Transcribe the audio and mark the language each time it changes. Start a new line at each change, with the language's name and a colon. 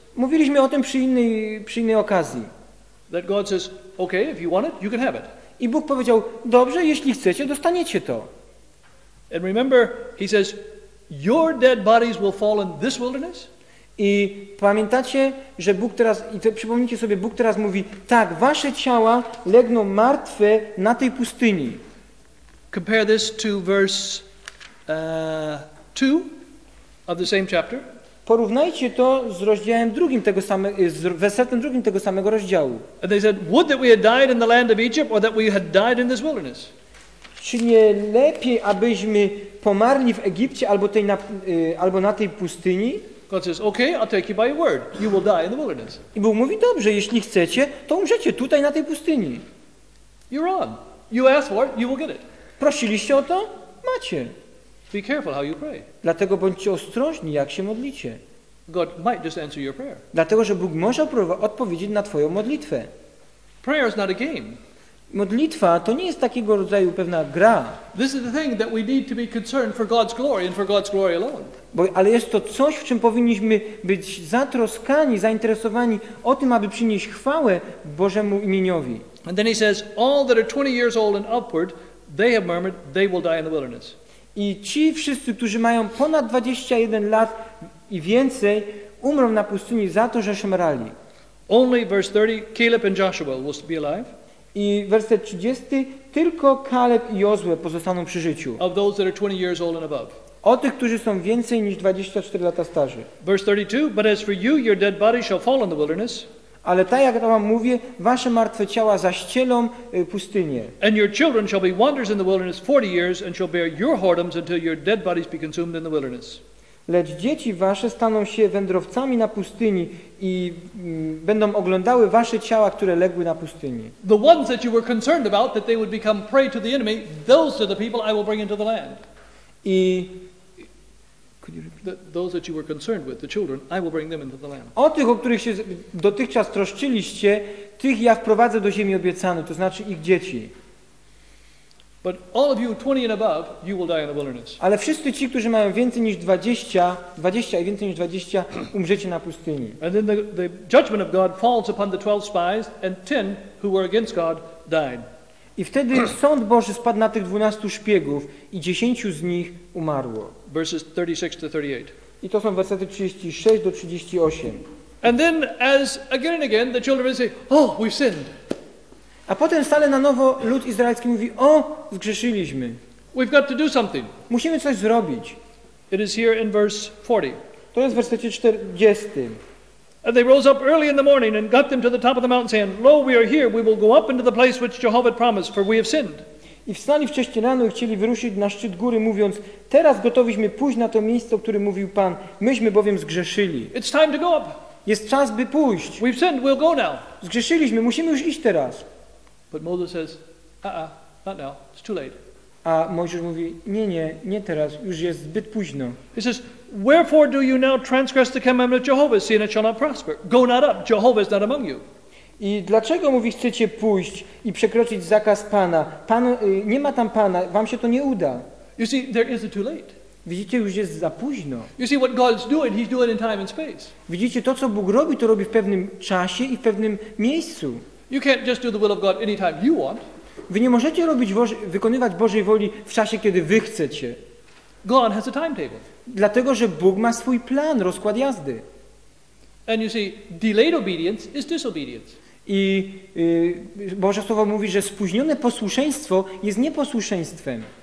Polish: Mówiliśmy o tym przy innej okazji.
English: That God says, okay, if you want it, you can have it.
Polish: I Bóg powiedział, dobrze, jeśli chcecie, dostaniecie to.
English: And remember, he says, your dead bodies will fall in this wilderness?
Polish: I pamiętacie, że Bóg teraz, i to, przypomnijcie sobie, Bóg teraz mówi, tak, wasze ciała legną martwe na tej pustyni.
English: Compare this to verse 2 of the same chapter.
Polish: Porównajcie to z rozdziałem drugim tego samego, z wersetem drugim tego samego rozdziału.
English: And they said, would that we had died in the land of Egypt, or that we had died in this wilderness?
Polish: Czy nie lepiej, abyśmy pomarli w Egipcie albo na tej pustyni?
English: God says, okay, I'll take you by your word. You will die in the wilderness.
Polish: I Bóg mówi, dobrze, jeśli chcecie, to umrzecie tutaj na tej pustyni.
English: You're on. You ask for it, you will get it.
Polish: Prosiliście o to? Macie.
English: Be careful how you pray.
Polish: Dlatego bądźcie ostrożni, jak się modlicie.
English: God might just answer your prayer.
Polish: Dlatego, że Bóg może odpowiedzieć na twoją modlitwę.
English: Prayer is not a game.
Polish: Modlitwa to nie jest takiego rodzaju pewna gra.
English: This is the thing that we need to be concerned for God's glory and for God's glory alone.
Polish: Ale jest to coś, w czym powinniśmy być zatroskani, zainteresowani o tym, aby przynieść chwałę Bożemu imieniowi.
English: And then he says, all that are 20 years old and upward, they have murmured, they will die in the wilderness.
Polish: I ci wszyscy, którzy mają ponad 21 lat i więcej, umrą na pustyni za to, że szemrali.
English: Only verse 30, Caleb and Joshua will be alive.
Polish: I werset 30, tylko Caleb i Jozue pozostaną przy życiu.
English: Of those that are 20 years old and above.
Polish: O tych, którzy są więcej niż 24 lata starzy.
English: Verse 32, but as for you, your dead body shall fall in the wilderness.
Polish: Ale tak jak wam mówię, wasze martwe ciała zaścielą pustynię.
English: And your children shall be wanderers in the wilderness 40 years and shall bear your whoredoms until your dead bodies be consumed in the wilderness.
Polish: Lecz dzieci wasze staną się wędrowcami na pustyni i będą oglądały wasze ciała, które legły na pustyni.
English: The ones that you were concerned about, that they would become prey to the enemy, those are the people I will bring into the land. I those that you were concerned with, the children, I will bring them into the land.
Polish: O tych, o których się dotychczas troszczyliście, tych ja wprowadzę do ziemi obiecanej, to znaczy ich dzieci.
English: But all of you 20 and above, you will die in the wilderness.
Polish: Ale wszyscy ci, którzy mają więcej niż 20 i więcej niż 20, umrzecie na pustyni.
English: And then the judgment of God falls upon the 12 spies and 10 who were against God died.
Polish: I wtedy sąd Boży spadł na tych 12 szpiegów i 10 z nich umarło.
English: Verses 36 to 38.
Polish: I to są wersety 36 do 38.
English: And then as again and again the children say, "Oh, we've sinned."
Polish: A potem stale na nowo lud izraelski mówi: "O, zgrzeszyliśmy."
English: We've got to do something.
Polish: Musimy coś zrobić.
English: It is here in verse 40.
Polish: To jest w wersecie 40.
English: And they rose up early in the morning and got them to the top of the mountain, saying, "Lo, we are here. We will go up into the place which Jehovah promised, for we have sinned."
Polish: I wstali wcześnie rano i chcieli wyruszyć na szczyt góry, mówiąc: "Teraz gotowiśmy pójść na to miejsce, o którym mówił Pan. Myśmy bowiem zgrzeszyli."
English: It's time to go up.
Polish: Jest czas, by pójść.
English: We've sinned. We'll go now.
Polish: Zgrzeszyliśmy. Musimy już iść teraz.
English: But Moses says, not now. It's too late.
Polish: A Mojżesz mówi: nie teraz. Już jest zbyt późno.
English: He says, "Wherefore do you now transgress the commandment of Jehovah, seeing it shall not prosper? Go not up. Jehovah is not among you."
Polish: I dlaczego, mówi, chcecie pójść i przekroczyć zakaz Pana? Pan, nie ma tam Pana, wam się to nie uda.
English: You see, there is a too late.
Polish: Widzicie, już jest za późno.
English: You see, what God's doing, he's doing in time and space.
Polish: Widzicie, to co Bóg robi, to robi w pewnym czasie i w pewnym miejscu.
English: You can't just do the will of God anytime you want.
Polish: Wy nie możecie robić wykonywać Bożej woli w czasie, kiedy wy chcecie.
English: God has a timetable.
Polish: Dlatego, że Bóg ma swój plan, rozkład jazdy.
English: And you see, delayed obedience is disobedience.
Polish: I Boże Słowo mówi, że spóźnione posłuszeństwo jest nieposłuszeństwem.